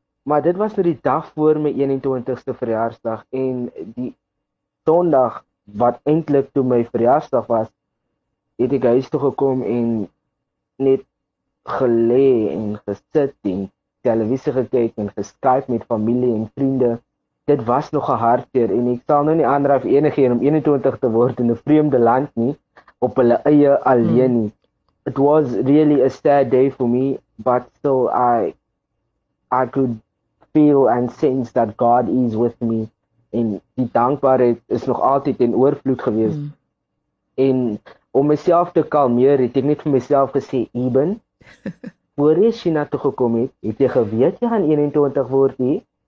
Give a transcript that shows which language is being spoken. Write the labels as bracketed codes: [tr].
[af] Maar dit was vir die dag voor my 21ste verjaarsdag en die Sondag wat eintlik toe my verjaarsdag was, het ek huis toe gekom en net gelê en gesit en televisie gekyk en geskype met familie en vriende. Dit was nog 'n hartseer en ek sal nou nie aandraf enigeen om 21 te word in 'n vreemde land nie, op hulle eie alleen nie. [en] It was really a sad day for me, but still I could feel and sense that God is with me. [af] En die dankbaarheid is nog altyd in oorvloed gewees. En om myself te kalmeer, het ek net vir myself gesê, Eban, voor jy China toe gekom het, het jy geweet jy gaan 21 word nie.